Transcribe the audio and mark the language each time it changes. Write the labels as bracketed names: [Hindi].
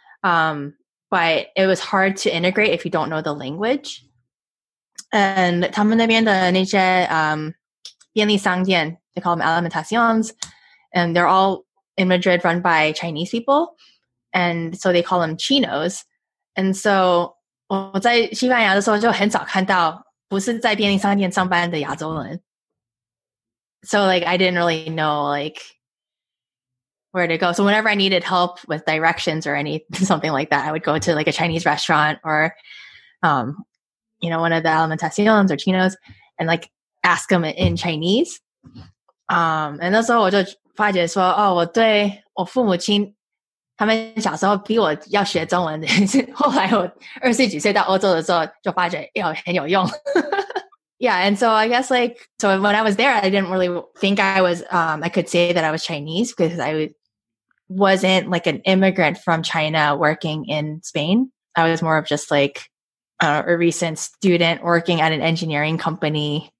[English] But it was hard to integrate if you don't know the language. And [Chinese] 他们那边的那些便利商店 [English] they call them alimentaciones, and they're all in Madrid run by Chinese people. And so they call them chinos. And so [Chinese] 我在西班牙的时候就很少看到不是在便利商店上班的亚洲人。 [English] So like, I didn't really know like,where to go. So whenever I needed help with directions or something like that, I would go to like a Chinese restaurant or, you know, one of the alimentaciones or chinos and like ask them in Chinese. [Chinese] And 那时候我就发觉说，哦，我对我父母亲他们小时候逼我要学中文的，后来我二十几岁到欧洲的时候就发觉，哎呦，很有用。 [English] Yeah, and so I guess like, so when I was there, I didn't really think I was, I could say that I was Chinese because I wasn't like an immigrant from China working in Spain. I was more of just like a recent student working at an engineering company.